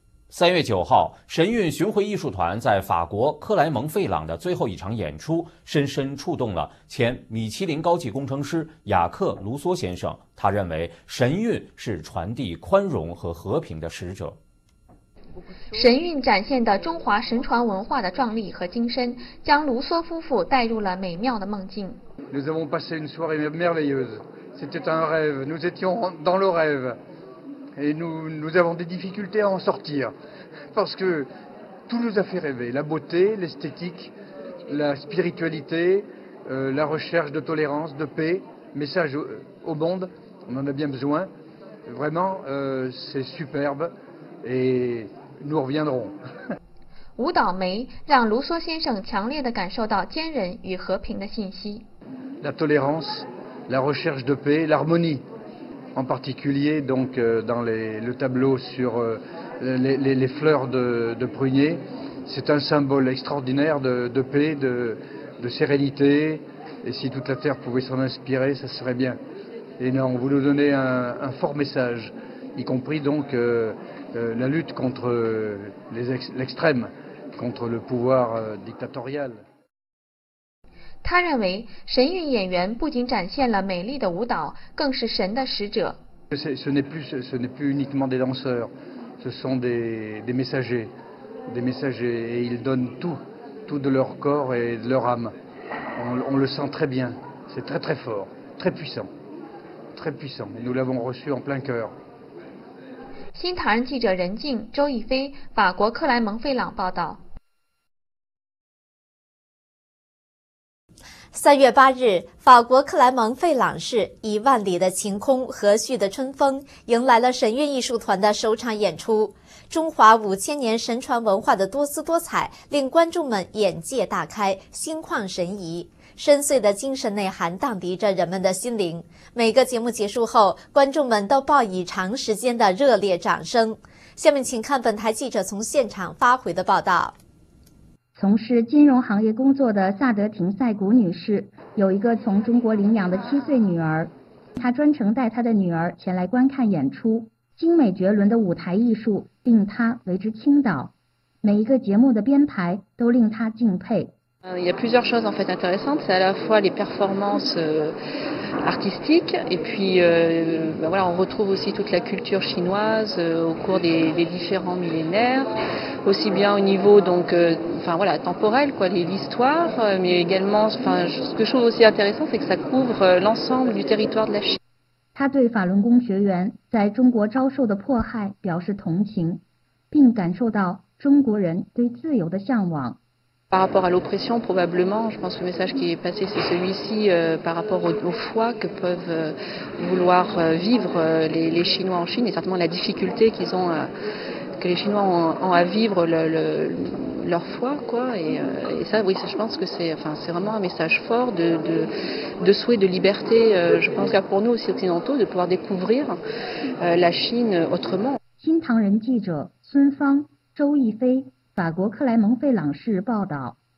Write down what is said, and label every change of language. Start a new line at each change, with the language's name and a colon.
Chinese: 3月9号，神韵巡回艺术团在法国克莱蒙费朗的最后一场演出，深深触动了前米其林高级工程师雅克·卢梭先生。他认为神韵是传递宽容和和平的使者。神韵展现的中华神传文化的壮丽和精深，将卢梭夫妇带入了美妙的梦境。
French: Nous avons passé une soirée merveilleuse. C'était un rêve. Nous étions dans le rêve. Et nous avons des difficultés à en sortir, parce que tout nous a fait rêver. La beauté, l'esthétique, la spiritualité, la recherche de tolérance, de paix, message au monde, on en a bien besoin. Vraiment, c'est superbe et nous reviendrons.
Chinese: 舞蹈梅让卢梭先生强烈地感受到坚韧与和平的信息。
French: La tolérance, la recherche de paix, l'harmonie. En particulier donc, dans le tableau sur les fleurs de prunier, c'est un symbole extraordinaire de paix, de sérénité. Et si toute la terre pouvait s'en inspirer, ça serait bien. Et non, vous nous donnez un fort message, y compris donc la lutte contre l'extrême, contre le pouvoir dictatorial.
Chinese: 他认为神韵演员不仅展现了美丽的舞蹈，更是神的使者。
French: Ce n'est plus uniquement des danseurs, ce sont des messagers, des messagers, et ils donnent tout de leur corps et de leur âme. On le sent très bien, c'est très très fort, très puissant, très puissant. Nous l'avons reçu en plein cœur.
Chinese: 新唐人记者任静、周亦飞，法国克莱蒙费朗报道。 3月8日，法国克莱蒙费朗市以万里的晴空、和煦的春风，迎来了神韵艺术团的首场演出。中华5000年神传文化的多姿多彩，令观众们眼界大开，心旷神怡。深邃的精神内涵荡涤着人们的心灵。每个节目结束后，观众们都报以长时间的热烈掌声。下面请看本台记者从现场发回的报道。从事金融行业工作的萨德廷塞古女士有一个从中国领养的7岁女儿，她专程带她的女儿前来观看演出。精美绝伦的舞台艺术令她为之倾倒，每一个节目的编排都令她敬佩。
French: Il y a plusieurs choses en fait intéressantes, c'est à la fois les performances artistiques et puis ben voilà, on retrouve aussi toute la culture chinoise au cours des différents millénaires, aussi bien au niveau donc, enfin voilà, temporel, quoi, l'histoire, mais également, enfin, ce que je trouve aussi intéressant, c'est que ça couvre l'ensemble du territoire de la Chine.
Chinese: 他对法轮功学员在中国遭受的迫害表示同情，并感受到中国人对自由的向往。
French: Par rapport à l'oppression, probablement, je pense que le message qui est passé, c'est celui-ci, par rapport aux foies que peuvent vouloir vivre les Chinois en Chine, et certainement la difficulté qu'ils ont, que les Chinois ont à vivre leur foi, quoi. Et ça, oui, ça, je pense que c'est vraiment un message fort de souhait de liberté. Je pense qu'à pour nous aussi occidentaux, de pouvoir découvrir la Chine autrement.
Chinese: 新唐人记者孙芳、周亦飞。法国克莱蒙费朗市报道。